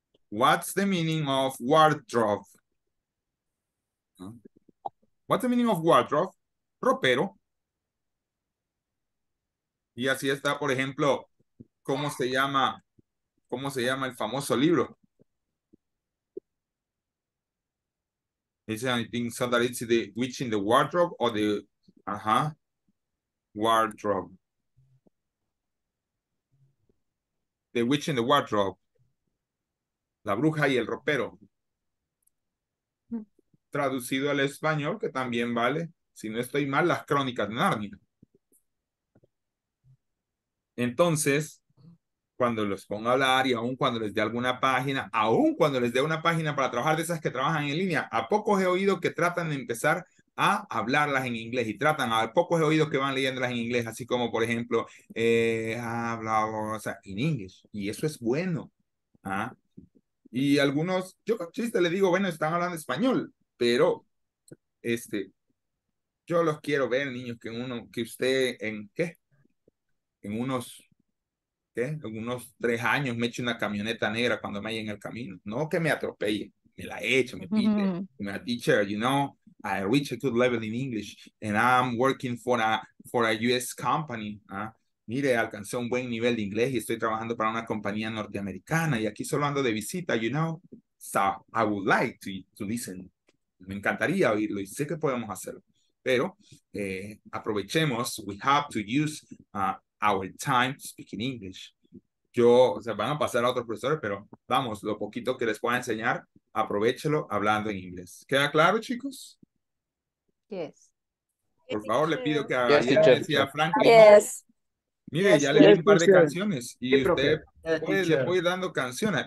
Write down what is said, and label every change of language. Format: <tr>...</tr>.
<en>What's the meaning of wardrobe? What's the meaning of wardrobe? Ropero.</en> <es>Y así está, por ejemplo, ¿cómo se llama el famoso libro?</es> <en>Is it anything so that it's the witch in the wardrobe or the wardrobe? The witch in the wardrobe.</en> <es>La bruja y el ropero. Traducido al español, que también vale, si no estoy mal, las crónicas de Narnia. Entonces, cuando los ponga a hablar y aun cuando les dé alguna página, aun cuando les dé una página para trabajar de esas que trabajan en línea, ¿a poco he oído que tratan de empezar a hablarlas en inglés? Y tratan, ¿a poco he oído que van leyéndolas en inglés? Así como, por ejemplo, en inglés. Y eso es bueno. Y algunos, yo con chiste le digo, bueno, están hablando español. Pero, yo los quiero ver, niños, que en unos 3 años me eche una camioneta negra cuando me haya en el camino. No que me atropelle, me la eche, me pite. Me dice,</es> <en>teacher, you know, I reached a good level in English and I'm working for a US company.</en> <es>Mire, alcancé un buen nivel de inglés y estoy trabajando para una compañía norteamericana y aquí solo ando de visita,</es> <en>you know. So, I would like to listen.</en> <es>Me encantaría oírlo y sé que podemos hacerlo. Pero aprovechemos.</es> <en>We have to use our time speaking English.</en> <es>Van a pasar a otros profesores, pero vamos, lo poquito que les pueda enseñar, aprovechelo hablando en inglés. ¿Queda claro, chicos?</es> <en>Yes.</en> <es>Por favor, le pido que haga decía Franklin.</es> <en>Yes.</en> <es>Mire, yes, ya le di un par de canciones y usted puede, le voy dando canciones.</es>